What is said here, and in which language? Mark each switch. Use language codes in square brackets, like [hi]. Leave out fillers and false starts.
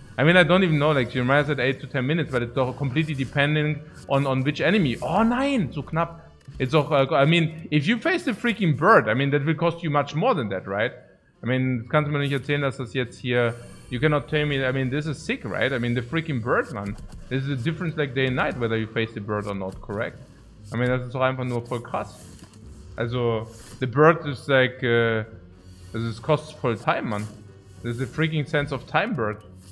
[en] I mean, I don't even know, like, Jeremiah said 8 to 10 minutes, but it's completely depending on which enemy. [de] Oh, nein! So knapp. [en] It's auch, I mean, if you face the freaking bird, I mean, that will cost you much more than that, right? I mean, [de] das kannst du mir nicht erzählen, dass das jetzt hier, [en] you cannot tell me, I mean, this is sick, right? I mean, the freaking bird, man. This is a difference like day and night, whether you face the bird or not, correct? I mean, [de] das ist doch einfach nur voll krass. [en] Also, the bird is like, this is costs full time, man. This is a freaking sense of time bird.